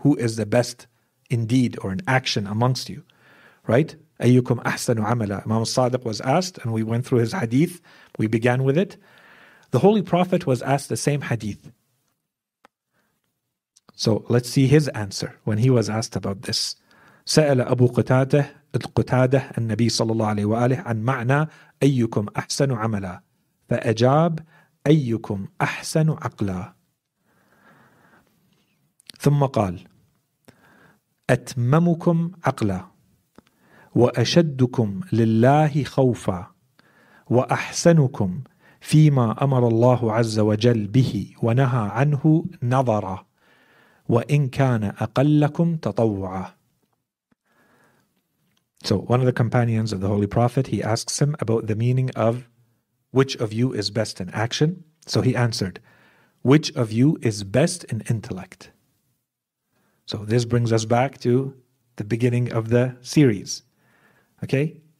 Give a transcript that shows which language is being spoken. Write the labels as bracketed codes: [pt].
[en] Who is the best in deed or in action amongst you? Right? [ar] Ayyukum ahsanu amala. [en] Imam Sadiq was asked, and we went through his hadith. We began with it. The Holy Prophet was asked the same hadith. So let's see his answer when he was asked about this. [ar] سأل أبو قتادة القتادة النبي صلى الله عليه وآله عن معنى أيكم أحسن عملا فأجاب أيكم أحسن عقلا ثم قال أتممكم عقلا وأشدكم لله خوفا وأحسنكم فيما أمر الله عز وجل به ونهى عنه نظرا وإن كان أقلكم تطوعا. [en] So one of the companions of the Holy Prophet, he asks him about the meaning of which of you is best in action. So he answered, which of you is best in intellect? So this brings us back to the beginning of the series. Okay?